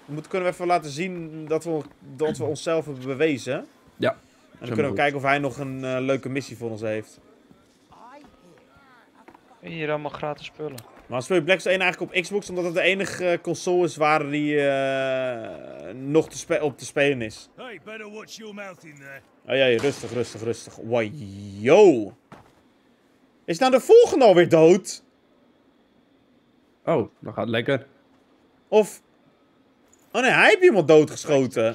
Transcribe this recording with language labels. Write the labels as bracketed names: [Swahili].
[Dutch] Kunnen we even laten zien dat we onszelf hebben bewezen? Ja. En dan kunnen we kijken of hij nog een leuke missie voor ons heeft. Hier allemaal gratis spullen. Maar speel je Black Ops 1 eigenlijk op Xbox, omdat het de enige console is waar die nog te spelen is. [English] Hey, better watch your mouth in there. [Dutch] Oh ja, rustig. Wajo. Is nou de volgende alweer dood? Oh, dat gaat lekker. Of... Oh nee, hij heeft iemand doodgeschoten.